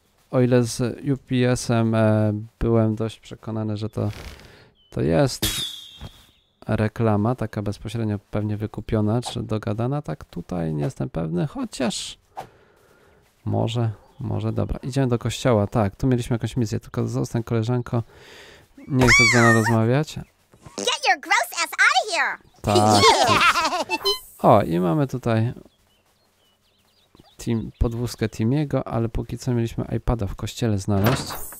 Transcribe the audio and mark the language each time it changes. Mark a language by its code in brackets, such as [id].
[pl] O ile z UPS-em byłem dość przekonany, że to jest reklama, taka bezpośrednio pewnie wykupiona, czy dogadana, tak tutaj nie jestem pewny, chociaż może, dobra. Idziemy do kościoła, tak, tu mieliśmy jakąś misję, tylko zostań koleżanko, nie chcę z nią rozmawiać. [en] Get your gross ass out of here. [pl] Tak. O, i mamy tutaj podwózkę Timiego, ale póki co mieliśmy iPada w kościele znaleźć.